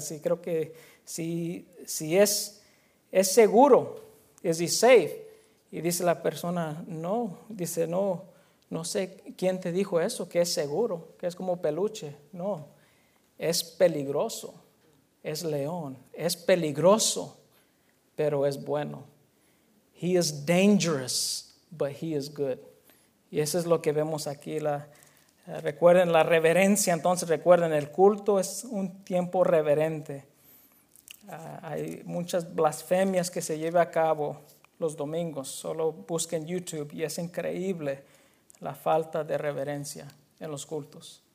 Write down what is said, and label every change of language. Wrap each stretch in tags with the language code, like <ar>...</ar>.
<es>Sí, creo que si es seguro,</es> <en>is he safe?</en> <es>Y dice la persona, no, dice, no, no sé quién te dijo eso, que es seguro, que es como peluche. No, es peligroso, es león, es peligroso, pero es bueno.</es> <en>He is dangerous, but he is good.</en> <es>Y eso es lo que vemos aquí. Recuerden la reverencia, entonces recuerden, el culto es un tiempo reverente. Hay muchas blasfemias que se lleva a cabo los domingos. Solo busquen YouTube y es increíble la falta de reverencia en los cultos.</es>